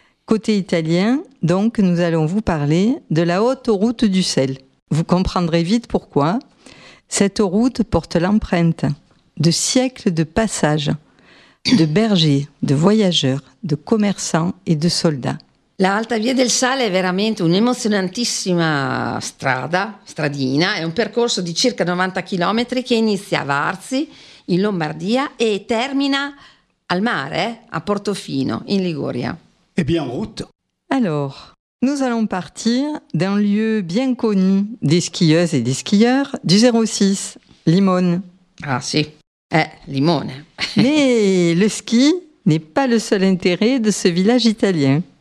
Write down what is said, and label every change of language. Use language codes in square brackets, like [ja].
[fr] Côté italien, donc, nous allons vous parler de la haute route du sel. Vous comprendrez vite pourquoi. Cette route porte l'empreinte de siècles de passages, de bergers, de voyageurs, de commerçants et de soldats. [it] La Alta Via del Sale è veramente un'emozionantissima strada, stradina, è un percorso di circa 90 km che inizia a Varzi, in Lombardia, e termina al mare, a Portofino, in Liguria. [fr] Et bien en route. Alors, nous allons partir d'un lieu bien connu des skieuses et des skieurs, du 06, Limone. [it] Ah sì, Limone. [fr] Mais le ski n'est pas le seul intérêt de ce village italien.